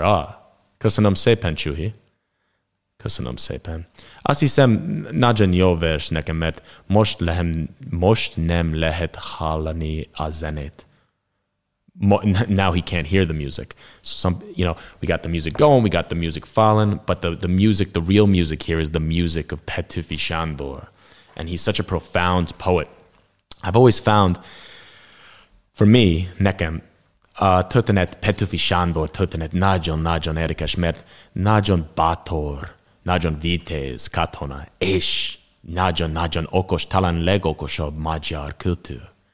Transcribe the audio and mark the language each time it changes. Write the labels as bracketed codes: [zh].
[hu] Ah, köszönöm szépen, Csuhi. Köszönöm szépen. Azt hiszem, nagyon jó vers nekem, mert most nem lehet hallani a zenét. [en] Now he can't hear the music. So some, you know, we got the music going, we got the music falling, but the music, the real music here is the music of Petőfi Sándor. And he's such a profound poet. I've always found... [hu] For me, nekem, történet Petőfi Sándor történet nagyon érdekes, mert nagyon bátor, nagyon vitéz katona, és nagyon okos, talán legokosabb magyar kultúr.